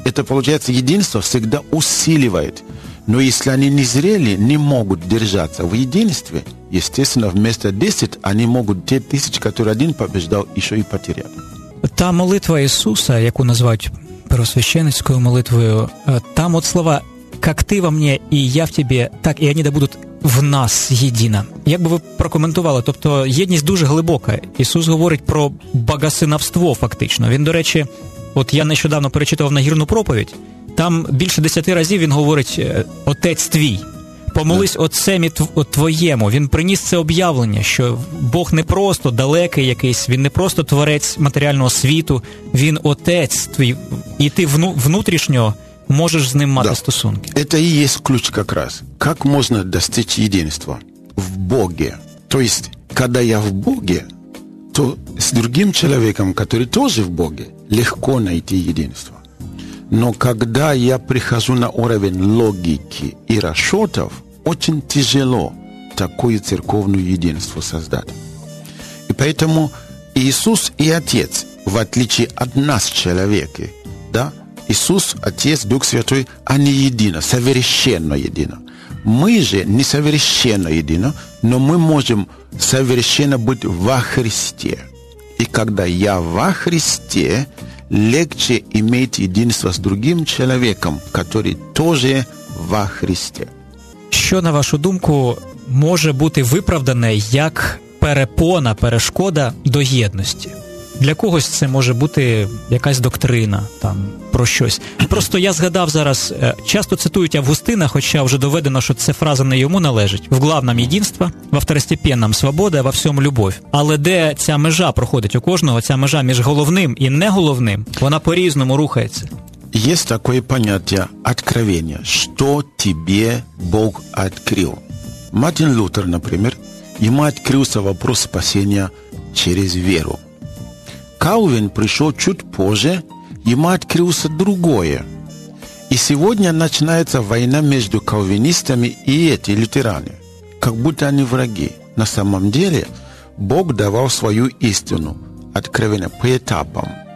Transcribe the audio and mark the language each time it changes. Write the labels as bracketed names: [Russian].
[Russian] Это получается, единство всегда усиливает. Но если они не зрели, не могут держаться в единстве, естественно, вместо 10 они могут те тысячи, которые один побеждал, еще и потерять. [Ukrainian] Та молитва Иисуса, яку називають первосвященницькою молитвою, там от слова [Russian] «Как ты во мне, и я в тебе, так и они да будут в нас едино». [Ukrainian] Як би ви прокоментували? Тобто єдність дуже глибока. Ісус говорить про богосиновство фактично. Він, до речі, от я нещодавно перечитував Нагірну проповідь, там більше 10 разів він говорить «Отець твій, помолись Отцем і твоєму». Він приніс це об'явлення, що Бог не просто далекий якийсь, він не просто творець матеріального світу, він Отець твій, і ти внутрішньо можеш з ним мати стосунки. Це і є ключ якраз. Як можна достичь єдинства? В Богі. Тобто, коли я в Богі, то з другим чоловіком, який теж в Богі, легко знайти єдинство. [Russian] Но когда я прихожу на уровень логики и расчетов, очень тяжело такое церковное единство создать. И поэтому Иисус и Отец, в отличие от нас, человеки, да, Иисус, Отец, Дух Святой, они едины, совершенно едины. Мы же не совершенно едины, но мы можем совершенно быть во Христе. И когда я во Христе, легче иметь единство с другим человеком, который тоже во Христе. [Ukrainian] Що, на вашу думку, може бути виправдане як перепона, перешкода до єдності? Для когось це може бути якась доктрина там про щось. Просто я згадав зараз, часто цитують Августина, хоча вже доведено, що ця фраза не йому належить. [Russian] В главном єдинство, в второстепенном свобода, во всьому любов. [Ukrainian] Але де ця межа проходить у кожного, ця межа між головним і неголовним, вона по-різному рухається. Є таке поняття откровення, що тобі Бог відкрив. Мартін Лютер, наприклад, йому відкрився вопрос спасіння через віру. [Russian] Калвин пришел чуть позже, ему открылся другое. И сегодня начинается война между калвинистами и эти лютеране. Как будто они враги. На самом деле, Бог давал свою истину, откровение по этапам.